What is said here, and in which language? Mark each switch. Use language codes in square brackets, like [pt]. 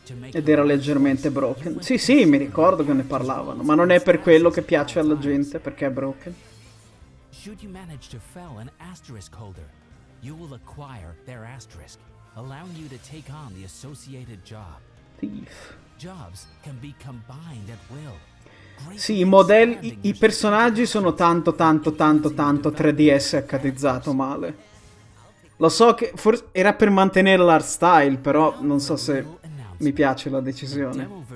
[it] Ed era leggermente broken. Sì, sì, mi ricordo che ne parlavano, ma non è per quello che piace alla gente, perché è broken. [en] Should you manage to fell an asterisk holder, you will acquire their asterisk. Allowing you to take on the associated job. Thief. jobs can be combined at will. [it] Sì, i modelli, i personaggi sono tanto 3DS HDizzato male. Lo so che forse era per mantenere l'art style, però non so se mi piace la decisione.